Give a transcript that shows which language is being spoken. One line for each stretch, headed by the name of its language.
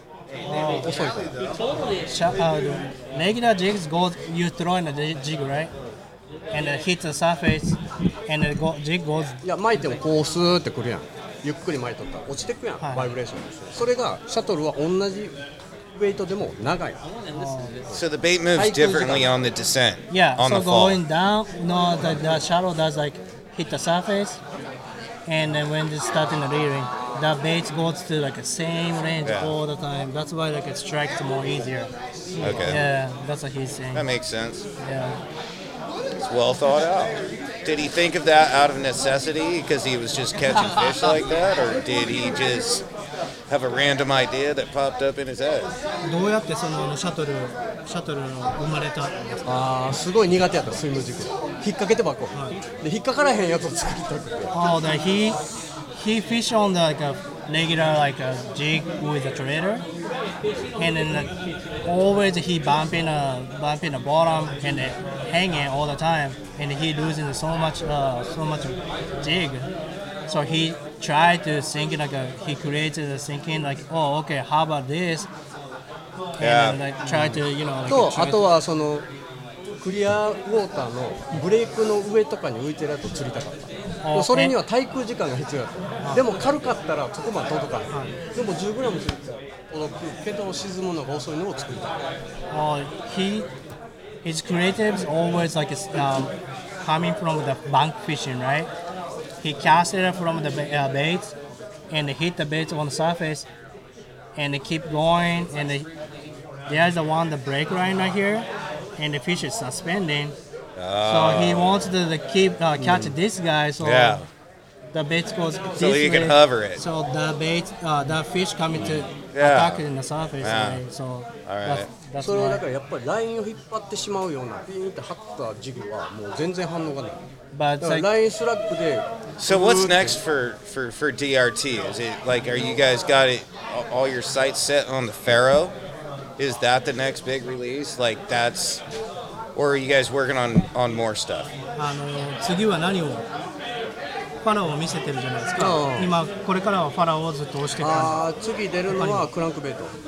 English: Regular jigs go, you throw in the jig, right? And it hits the surface, and the jig goes.
Japanese: Yeah, 巻いてもこうスーってくるやん。ゆっくり巻いとったら落ちてくやん、バイブレーション。それがシャトルは同じウェイトでも長い。
English: So the bait moves differently on the descent. Yeah, on so going down, no, the shadow does like hit the surface, and then when it's starting the rearing. That bait goes to like the same range all the time. That's why like it strikes more easier. Okay. Yeah, that's what he's saying. That makes sense. Yeah. It's well thought out. Did he think of that out of necessity because he was just catching fish like that? Or did he just have a random idea that popped up in his head?
Japanese: どうやってそのシャトル生まれたんですか？ああ、すごい苦手やった、スイム軸。引っ掛けてばっこ。はい。で、引っ掛からへんやつを作りたくて。
English: Oh, that he fish on the, like a regular like a jig with a trailer, and then always he bumping the bottom and hanging all the time, and he losing so much jig. So he tried to sink like a, he created a sinking like, oh okay, how about this? And yeah. And like try to, you know, like
Japanese: あとはそのクリアウォーターのブレイクの上とかに浮いてるやつ釣りたかった。それには滞空時間が必要だった。でも軽かったらそこまで届かない。でも 10g 届くけど沈むのが遅いのを作りた
English: い。His creative is always like coming from the bank fishing, right? He cast it from the bait and hit the bait on the surface and keep going and there's the one the break line right here and the fish is suspending. So he wants to catch this guy, so the bait goes so this way. So you can hover it. So the bait, the fish coming to attack it in the surface. Yeah. Right? So that's why.
Japanese: だからやっぱりラインを引っ張ってしまうようなピンって張ったジグはもう全然反応がない。
English: But
Japanese: like, ラインスラックで。
English: So what's next for DRT? Is it like, are you guys got it, all your sights set on the Faro? Is that the next big release? Like that's... Or are you guys working on more stuff?
Japanese: 次は何をファラオを見せてるじゃないですか。今これからはファラオをずっと押してくる。次出るのはクランクベイト。